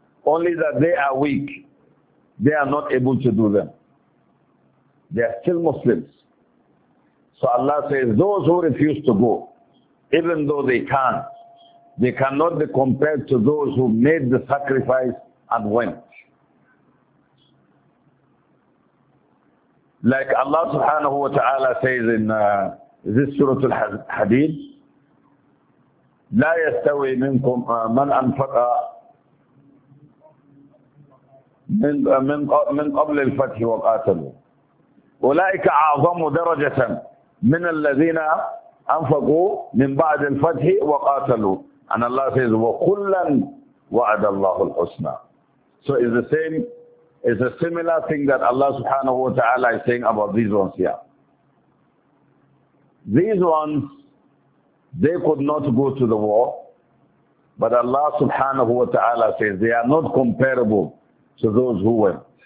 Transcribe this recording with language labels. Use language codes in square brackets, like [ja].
[en] Only that they are weak. They are not able to do them. They are still Muslims. So Allah says, those who refuse to go, even though they can't, they cannot be compared to those who made the sacrifice and went. Like Allah subhanahu wa ta'ala says in this Surah Al-Hadid, [ar] لَا يَسْتَوِي مِنْكُمْ مَنْ أَنْفَقَ مِنْ قَبْلِ الْفَتْحِ وَقَاتَلُ أُولَئِكَ أَعْظَمُ دَرَجَةً مِنَ الَّذِينَ أَنْفَقُوا مِنْ بَعْدِ الْفَتْحِ وَقَاتَلُوا [en] And Allah says, [ar] وَكُلًّا وَعَدَ اللَّهُ الْحُسْنَى. [en] So it's the same, it's a similar thing that Allah subhanahu wa ta'ala is saying about these ones here. These ones, they could not go to the war, but Allah subhanahu wa ta'ala says they are not comparable to those who went.